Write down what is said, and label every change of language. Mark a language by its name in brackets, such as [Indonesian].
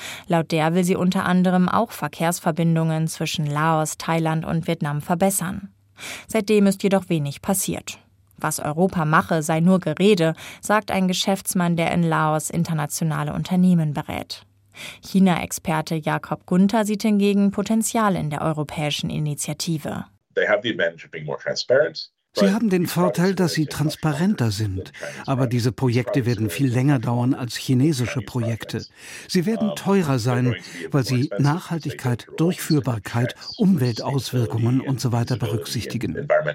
[German] Laut der will sie unter anderem auch Verkehrsverbindungen zwischen Laos, Thailand und Vietnam verbessern. Seitdem ist jedoch wenig passiert. Was Europa mache, sei nur Gerede, sagt ein Geschäftsmann, der in Laos internationale Unternehmen berät. China-Experte Jakob Gunther sieht hingegen Potenzial in der europäischen Initiative. [English] They have the advantage of being more transparent. [German] Sie haben den Vorteil, dass sie transparenter sind. Aber diese Projekte werden viel länger dauern als chinesische Projekte. Sie werden teurer sein, weil sie Nachhaltigkeit, Durchführbarkeit, Umweltauswirkungen und so weiter berücksichtigen.